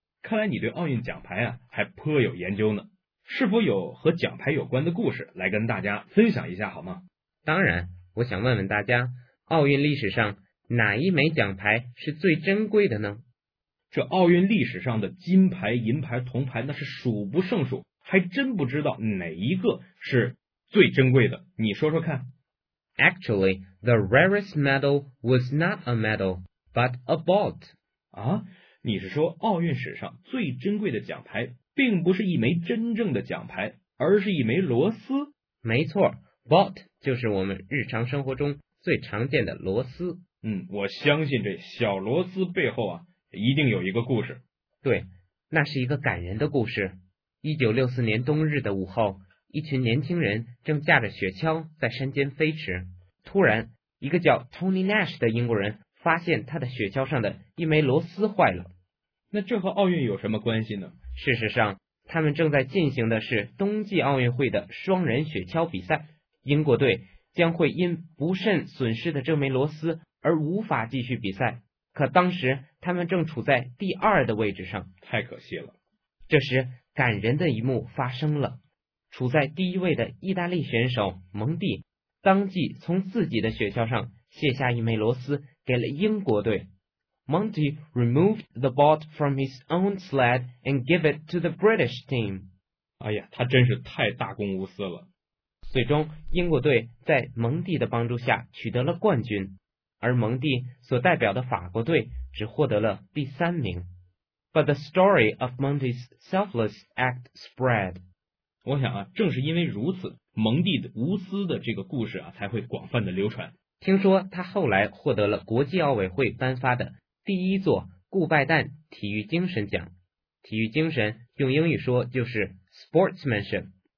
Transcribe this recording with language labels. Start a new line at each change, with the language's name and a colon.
Chinese: 看来你对奥运奖牌啊还颇有研究呢。是否有和奖牌有关的故事来跟大家分享一下好吗？当然，我想问问大家，奥运历史上哪一枚奖牌是最珍贵的呢？这奥运历史上的金牌、银牌、铜牌，那是数不胜数，还真不知道哪一个是最珍贵的。你说说看。
English: Actually, the rarest medal was not a medal, but a boat.
Chinese: 啊，你是说奥运史上最珍贵的奖牌，并不是一枚真正的奖牌，而是一枚螺丝？没错 ，boat 就是我们日常生活中最常见的螺丝。嗯，我相信这小螺丝背后啊。一定有一个故事。对，那是一个感人的故事。1964年冬日的午后，一群年轻人正驾着雪橇在山间飞驰，突然一个叫 Tony Nash 的英国人发现他的雪橇上的一枚螺丝坏了。那这和奥运有什么关系呢？事实上，他们正在进行的是冬季奥运会的双人雪橇比赛，英国队将会因不慎损失的这枚螺丝而无法继续比赛，可当时他们正处在第二的位置上。太可惜了。这时感人的一幕发生了，处在第一位的意大利选手蒙蒂当即从自己的雪橇上卸下一枚螺丝给了英国队。
English: Monty removed the bolt from his own sled and gave it to the British team.
Chinese: 哎呀，他真是太大公无私了。最终，英国队在蒙蒂的帮助下取得了冠军，而蒙蒂所代表的法国队只获得了第三名。
English: But the story of Monty's selfless act spread.
Chinese: 我想啊，正是因为如此，蒙蒂的无私的这个故事啊，才会广泛的流传。听说他后来获得了国际奥委会颁发的第一座顾拜旦体育精神奖。体育精神用英语说就是 sportsmanship。